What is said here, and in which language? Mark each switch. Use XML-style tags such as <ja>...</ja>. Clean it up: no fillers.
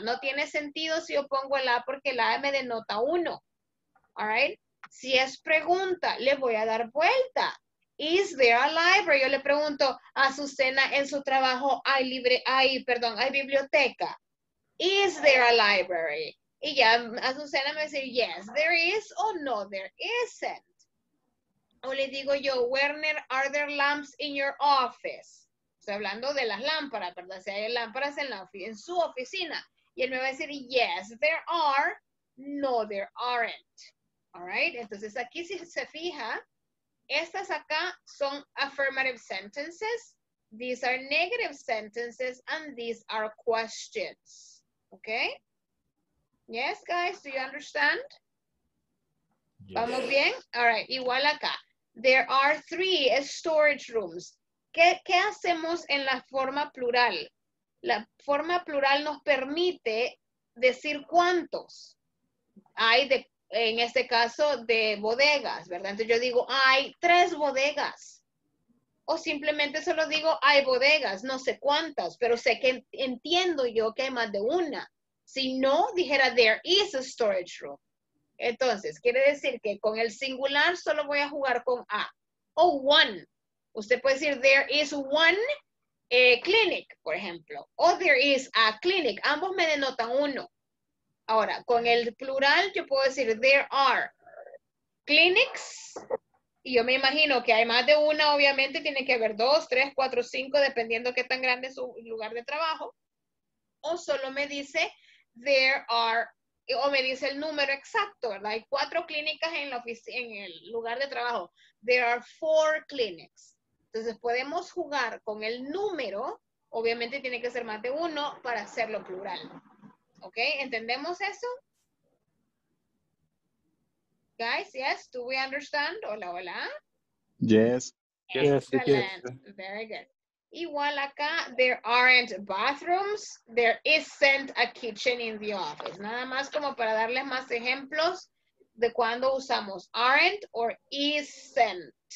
<es>No tiene sentido si yo pongo el A porque el A me denota uno. All right? Si es pregunta, le voy a dar vuelta.</es> <en>Is there a library?</en> <es>Yo le pregunto a Azucena en su trabajo, hay biblioteca. Is there a library? Y ya Azucena me dice,</es> <en>yes, there is or no, there isn't.</en> <es>O le digo yo,</es> <en>Werner, are there lamps in your office?</en> <es>Estoy hablando de las lámparas, ¿verdad? Si hay lámparas en su oficina. Y él me va a decir,</es> <en>yes, there are. No, there aren't. All right?</en> <es>Entonces, aquí si se fija, estas acá son affirmative sentences.</es> <en>These are negative sentences. And these are questions. Okay? Yes, guys, do you understand? Yes.</en> <es>¿Vamos bien?</es> <en>All right,</en> <es>igual acá.</es> <en>There are three storage rooms.</en> <es>¿Qué hacemos en la forma plural? La forma plural nos permite decir cuántos hay, en este caso, de bodegas, ¿verdad? Entonces yo digo, hay tres bodegas. O simplemente solo digo, hay bodegas, no sé cuántas, pero sé que entiendo yo que hay más de una. Si no, dijera,</es> <en>there is a storage room.</en> <es>Entonces, quiere decir que con el singular solo voy a jugar con A. O one. Usted puede decir,</es> <en>there is one clinic,</en> <es>por ejemplo. O</es> <en>there is a clinic.</en> <es>Ambos me denotan uno. Ahora, con el plural, yo puedo decir,</es> <en>there are clinics.</en> <es>Y yo me imagino que hay más de una, obviamente, tiene que haber dos, tres, cuatro, cinco, dependiendo qué tan grande es su lugar de trabajo. O solo me dice,</es> <en>there are</en> <es>o me dice el número exacto, ¿verdad? Hay cuatro clínicas en la oficina, en el lugar de trabajo.</es> <en>There are four clinics.</en> <es>Entonces podemos jugar con el número, obviamente tiene que ser más de uno para hacerlo plural. ¿Ok? ¿Entendemos eso?</es> <en>Guys, yes, do we understand?</en> <es>Hola, hola.</es> <en>Yes. Excellent. Yes. Very good.</en> <es>Igual acá,</es> <en>there aren't bathrooms, there isn't a kitchen in the office.</en> <es>Nada más como para darles más ejemplos de cuando usamos</es> <en>aren't or isn't.</en>